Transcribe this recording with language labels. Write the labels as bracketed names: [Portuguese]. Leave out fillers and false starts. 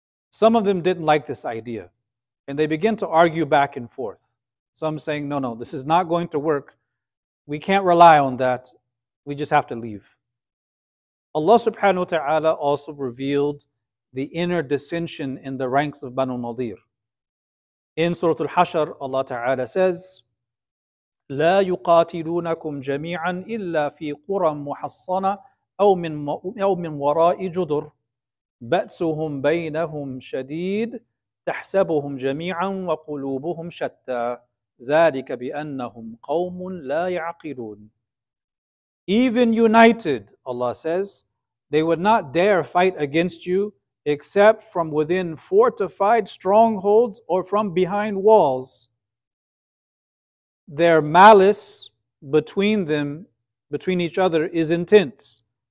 [English] Some of them didn't like this idea, and they began to argue back and forth. Some saying, no, this is not going to work. We can't rely on that. We just have to leave. Allah subhanahu wa ta'ala also revealed the inner dissension in the ranks of Banu Nadir. In Surah Al-Hashr, Allah ta'ala says, [Arabic] لا يقاتلونكم جميعا إلا في قرى محصنة أو من وراء جدر بأسهم بينهم شديد تحسبهم جميعا وقلوبهم شتى ذلك بأنهم قوم لا يعقلون. [English] Even united, Allah says, they would not dare fight against you except from within fortified strongholds or from behind walls. Their malice between them, between each other, is intense.